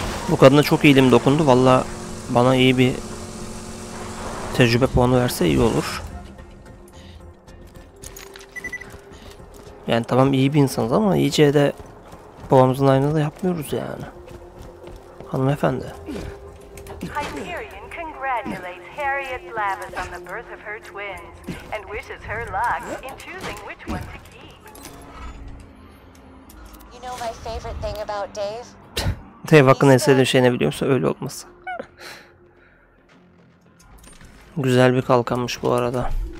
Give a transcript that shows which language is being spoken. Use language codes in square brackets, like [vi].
[tr] Bu kadına çok iyiliğim dokundu. Vallahi bana iyi bir tecrübe puanı verse iyi olur. Yani tamam, iyi bir insanız ama iyice de babamızın aynını da yapmıyoruz yani. Hanımefendi. [en] Hyperion congratulates Harriet Lavis on the birth of her twins and wishes her luck in choosing which one to keep. You know my favorite thing about Dave? [tr] Dave hakkında en sevdiğim şey ne biliyorsa öyle olması. Güzel bir kalkanmış bu arada.